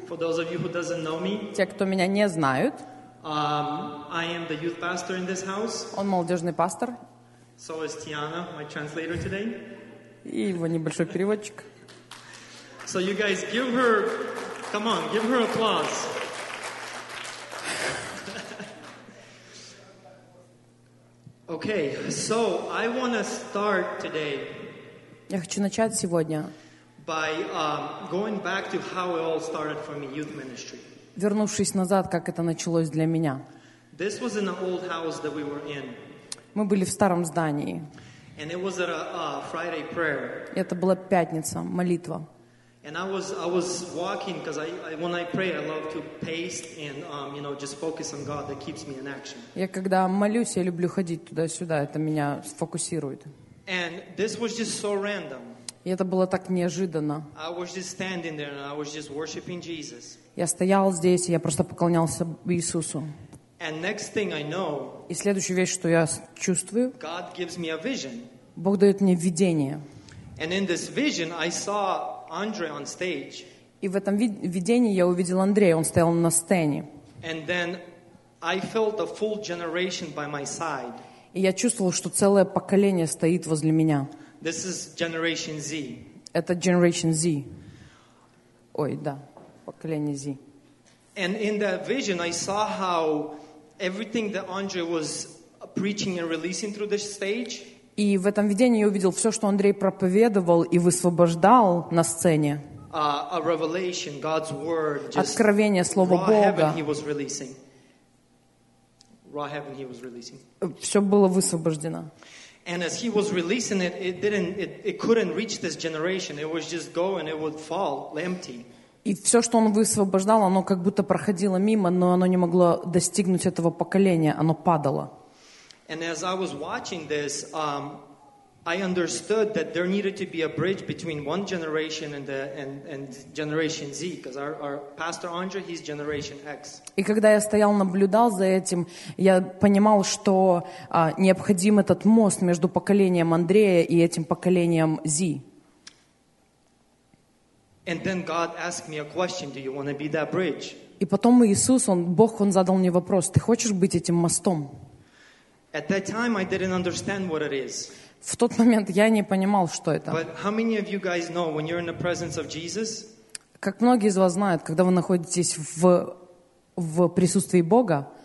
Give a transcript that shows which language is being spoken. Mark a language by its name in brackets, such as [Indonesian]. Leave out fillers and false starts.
[English] For those of you who doesn't know me, [Russian] те, кто меня не знают. [English] I am the youth pastor in this house. [Russian] Он молодежный пастор. [English] So is Tiana, my translator today. [Russian] И его небольшой переводчик. [English] So you guys give her, come on, give her applause. Okay, so I want to start today. [Russian] Я хочу начать сегодня. [English] By going back to how it all started for me, youth ministry. [Russian] Вернувшись назад, как это началось для меня. [English] This was in the old house that we were in. [Russian] Мы были в старом здании. [English] And it was at a Friday prayer. [Russian] Это была пятница, молитва. [English] And I was walking because I when I pray I love to pace and you know just focus on God that keeps me in action. [Russian] Я когда молюсь, я люблю ходить туда-сюда, это меня сфокусирует. [English] And this was just so random. [Russian] И это было так неожиданно. [English] I was just standing there and I was just worshiping Jesus. [Russian] Я стоял здесь, и я просто поклонялся Иисусу. [English] And next thing I know, [Russian] и следующая вещь, что я чувствую, [English] God gives me a vision. [Russian] Бог дает мне видение. [English] And in this vision I saw Andre on stage. [Russian] И в этом видении я увидел Андрея, он стоял на сцене. [English] And then I felt a full generation by my side. [Russian] И я чувствовал, что целое поколение стоит возле меня. [English] This is Generation Z. [Russian] Это Generation Z. Ой, да, поколение Z. [English] And in that vision I saw how everything that Andre was preaching and releasing through the stage. [Russian] И в этом видении я увидел все, что Андрей проповедовал и высвобождал на сцене. [English] A revelation, God's word, just [Russian] откровение, Слово Бога. [English] Raw heaven he was releasing. [Russian] Все было высвобождено. [English] And as he was releasing it, it couldn't reach this generation. It was just going, it would fall empty. [Russian] И все, что он высвобождал, оно как будто проходило мимо, но оно не могло достигнуть этого поколения, оно падало. [English] And as I was watching this, I understood that there needed to be a bridge between one generation and Generation Z, because our pastor Andre, he's Generation X. [Russian] И когда я стоял, наблюдал за этим, я понимал, что необходим этот мост между поколением Андрея и этим поколением Z. [English] And then God asked me a question: Do you want to be that bridge? [Russian] И потом Иисус, Бог задал мне вопрос: Ты хочешь быть этим мостом? [English] At that time, I didn't understand what it is. [Russian] В тот момент я не понимал, что это. [English] But how many of you guys know when you're in the presence of Jesus? [Russian] Как многие из вас знают, когда вы находитесь в присутствии Бога,